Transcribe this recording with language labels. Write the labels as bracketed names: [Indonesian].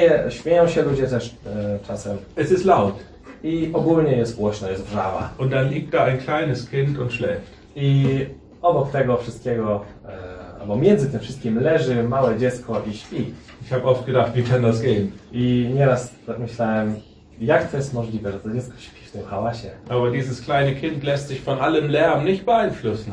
[Polish] Śmieją się ludzie też czasem. [German] Es ist laut. [Polish] I ogólnie jest głośno, jest wrzawa. [German] Und dann liegt da ein kleines Kind und schläft. [Polish] I obok tego wszystkiego, albo między tym wszystkim leży małe dziecko i śpi. [German] Ich habe oft gedacht, wie kann das gehen? [Polish] I nieraz tak myślałem, jak to jest możliwe, że to dziecko śpi w tym hałasie. [German] Aber dieses kleine Kind lässt sich von allem Lärm nicht beeinflussen.